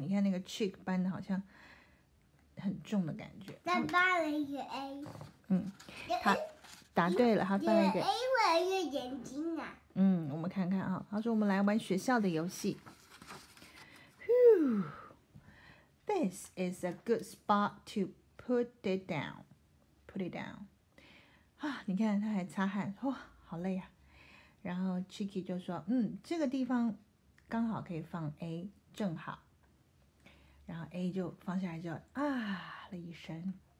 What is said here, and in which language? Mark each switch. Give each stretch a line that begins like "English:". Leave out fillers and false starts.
Chinese: 你看那个 Chick 搬的好像很重的感觉。他搬了一个 A。他答对了，他搬了一个 A， 我有一个眼睛啊。我们看看啊，他说：“我们来玩学校的游戏。”
English: This is a good spot to put it down. Put it down.
Chinese: 啊，你看他还擦汗，哇，好累啊。然后 Chicky 就说，这个地方刚好可以放 A， 正好。然后 A 就放下来就啊了一声。